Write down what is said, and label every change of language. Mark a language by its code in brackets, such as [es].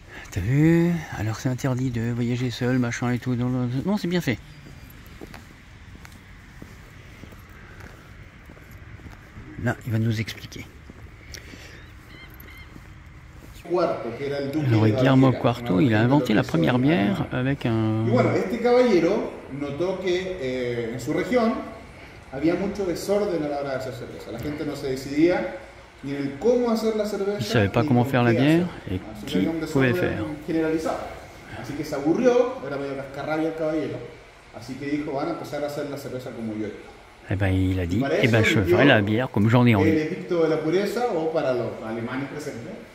[fr] T'as vu? Alors c'est interdit de voyager seul, machin et tout. Non, c'est bien fait. Là, il va nous expliquer. Alors, Guillermo Cuarto, il a inventé la première bière avec un. [es] Este caballero notó que en su región había mucho desorden a la hora de hacer cerveza. La gente no se decidía ni en cómo hacer la cerveza. [fr] Il savait pas comment faire la bière et qui pouvait faire. [es] Así que se aburrió, era medio cascarrabia el caballero. Así que dijo, van a empezar a hacer la cerveza como yo. [fr] Et eh ben il a dit, et eh ben je ferai la bière comme j'en ai envie. [es] El edicto de la pureza o para los alemanes presentes.